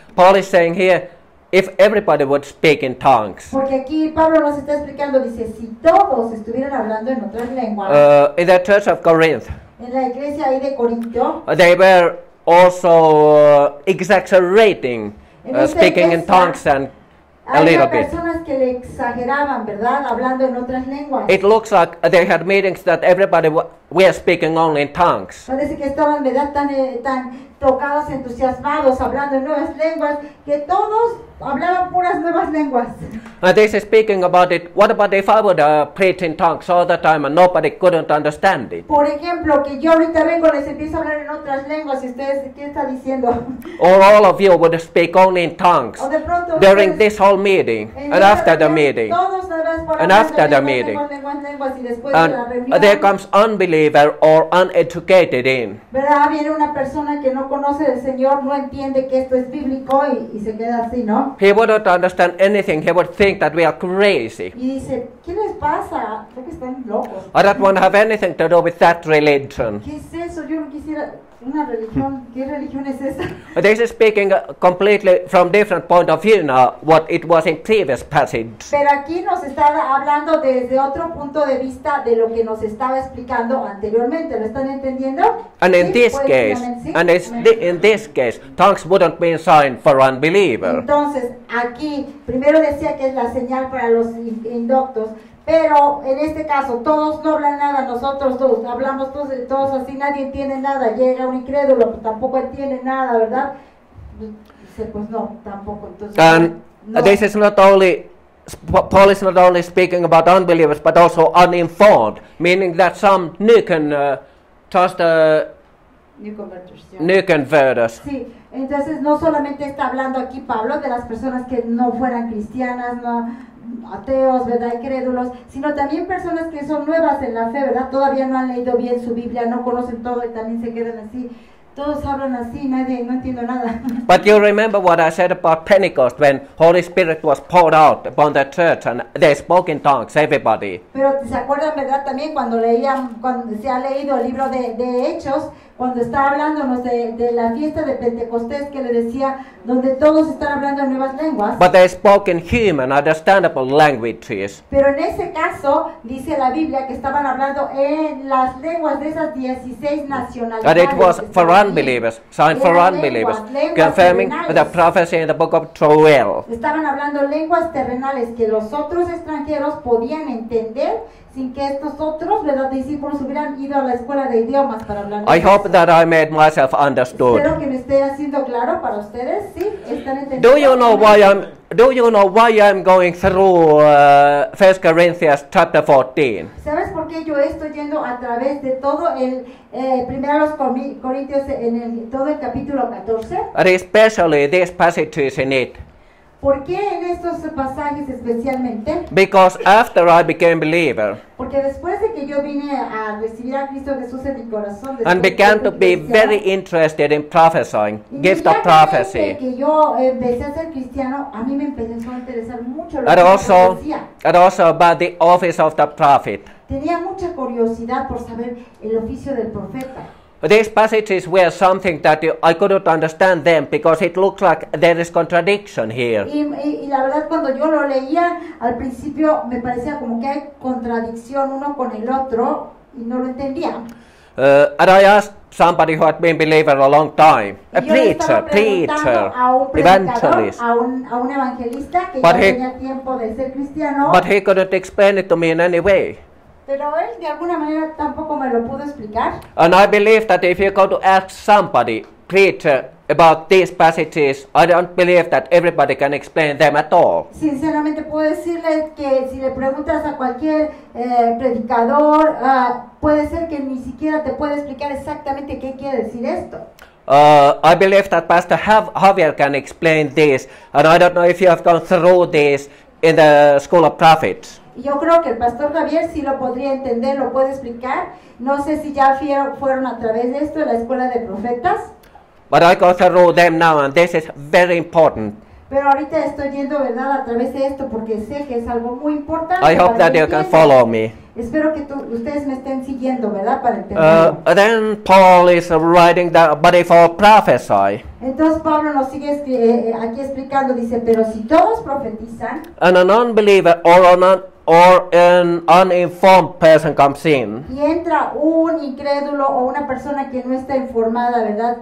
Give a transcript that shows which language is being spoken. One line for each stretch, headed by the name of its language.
English: Paul is saying here, if everybody would speak in tongues.
Spanish: Porque aquí Pablo nos está explicando, dice, si todos estuvieran hablando en otras lenguas.
English: In the church of Corinth.
Spanish: En la iglesia ahí de Corinto.
English: They were also exaggerating speaking in tongues and a little bit.
Spanish: Personas que le exageraban, ¿verdad?, hablando en otras lenguas.
English: It looks like they had meetings that everybody were speaking only in tongues.
Spanish: Parece que estaban, ¿verdad?, tan tocados, entusiasmados, hablando en nuevas lenguas, que todos hablaban puras nuevas lenguuas.
English: And they say speaking about it, what about if I would preach in tongues all the time and nobody couldn't understand it?
Spanish: Por ejemplo, que yo ahorita vengo y les empiezo a hablar en otras lenguas, y ustedes, ¿qué está diciendo?
English: Or all of you would speak only in tongues
Spanish: de pronto,
English: during this whole meeting and after the meeting.
Spanish: Todos
English: and after the meeting. And there comes unbeliever or uneducated in.
Spanish: ¿Verdad? Viene una persona que no conoce del Señor, no entiende que esto es bíblico y se queda así, ¿no?
English: He would not understand anything. He would think that we are crazy.
Spanish: Y dice, ¿qué les pasa? Creo que están locos.
English: I don't want to have anything to do with that religion.
Spanish: ¿Qué es eso? Yo no quisiera Una religión, ¿qué religión es esa?
English: This is speaking completely from different point of view now what it was in previous passage.
Spanish: Pero aquí nos está hablando desde otro punto de vista de lo que nos estaba explicando anteriormente. ¿Lo están entendiendo?
English: And in this case, tongues wouldn't be a sign for unbeliever.
Spanish: Entonces, aquí primero decía que es la señal para los indoctos. Pero en este caso todos no hablan nada, nosotros todos hablamos todos así, nadie entiende nada, llega un incrédulo, pues tampoco entiende nada, ¿verdad? Dice, pues no, tampoco. Entonces,
English: This is not only Paul is not only speaking about unbelievers but also uninformed, meaning that some new converters.
Spanish: Sí, entonces no solamente está hablando aquí Pablo de las personas que no fueran cristianas, no ateos, ¿verdad? Incrédulos, sino también personas que son nuevas en la fe, ¿verdad? Todavía no han leído bien su Biblia, no conocen todo y también se quedan así. Todos hablan así, nadie, no entiendo nada.
English: But you remember what I said about Pentecost when Holy Spirit was poured out upon the church and they spoke in tongues, everybody.
Spanish: Pero ¿se acuerdan, verdad? También cuando leían, cuando se ha leído el libro de Hechos, cuando está hablándonos de la fiesta de Pentecostés que le decía, donde todos están hablando nuevas lenguas.
English: But they spoke in human, understandable languages.
Spanish: Pero en ese caso, dice la Biblia que estaban hablando en las lenguas de esas 16 nacionalidades.
English: But it was for unbelievers, signed for unbelievers, confirming the prophecy in the book of Joel.
Spanish: Estaban hablando lenguas terrenales que los otros extranjeros podían entender, sin que estos otros, ¿verdad?, discípulos hubieran ido a la escuela de idiomas para hablar.
English: I hope that I made myself understood.
Spanish: Espero que me esté haciendo claro para ustedes, ¿sí? ¿Están entendiendo?
English: Do you know why I'm going through 1 Corinthians chapter 14?
Spanish: ¿Sabes por qué yo estoy yendo a través de todo el primero Corintios en el todo el capítulo 14?
English: Especially these passages in it.
Spanish: ¿Por qué en estos pasajes especialmente?
English: Because after I became believer.
Spanish: Porque después de que yo vine a recibir a Cristo Jesús en mi corazón.
English: And began to be very interested in prophesying, gift of prophecy.
Spanish: Que yo empecé a ser cristiano, a mí me empezó a interesar mucho lo que yo decía.
English: And also about the office of the prophet.
Spanish: Tenía mucha curiosidad por saber el oficio del profeta.
English: These passages were something that I couldn't understand them because it looks like there is contradiction here.
Spanish: Y la verdad cuando yo lo leía al principio me parecía como que hay contradicción uno con el otro y no lo entendía.
English: And I asked somebody who had been a believer a long time, a preacher, evangelist.
Spanish: A un evangelista que ya tenía tiempo de ser cristiano.
English: But he couldn't explain it to me in any way.
Spanish: Pero él de alguna manera tampoco me lo pudo explicar.
English: And I believe that if you go to ask somebody, preacher, about these passages, I don't believe that everybody can explain them at all.
Spanish: Sinceramente puedo decirle que si le preguntas a cualquier predicador, puede ser que ni siquiera te pueda explicar exactamente qué quiere decir esto.
English: I believe that Pastor Javier can explain this, and I don't know if you have gone through this in the School of Prophets.
Spanish: Yo creo que el pastor Javier sí lo podría entender, lo puede explicar. No sé si ya fueron a través de esto, la escuela de profetas.
English: But I go through them now and this is very important.
Spanish: Pero ahorita estoy yendo, ¿verdad?, a través de esto porque sé que es algo muy importante.
English: I hope that you can follow me.
Spanish: Espero que ustedes me estén siguiendo, ¿verdad?, para entender.
English: Then Paul is writing that, but if all prophesy.
Spanish: Entonces Pablo nos sigue aquí explicando, dice, pero si todos profetizan.
English: And an unbeliever or an uninformed person comes in.
Spanish: Y entra un incrédulo o una persona que no está informada, ¿verdad?